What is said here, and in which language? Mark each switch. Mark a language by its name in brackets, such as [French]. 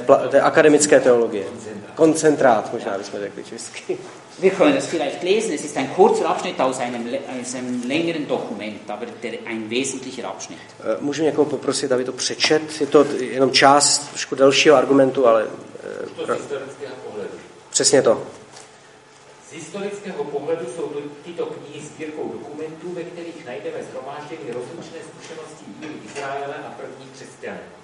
[Czech] To je akademické teologie. Koncentrát, možná bychom řekli česky. [German] Wir können das vielleicht lesen, es ist ein kurzer Abschnitt aus einem längeren Dokument, aber der ein wesentlicher Abschnitt. [Czech] Můžu někoho poprosit, aby to přečet? Je to jenom část trošku delšího argumentu, ale... To z historického pohledu. Přesně to. Z historického pohledu jsou tyto knihy sbírkou dokumentů, ve kterých najdeme zhromážděny rozlučné zkušenosti víry Izraele a první křesťané.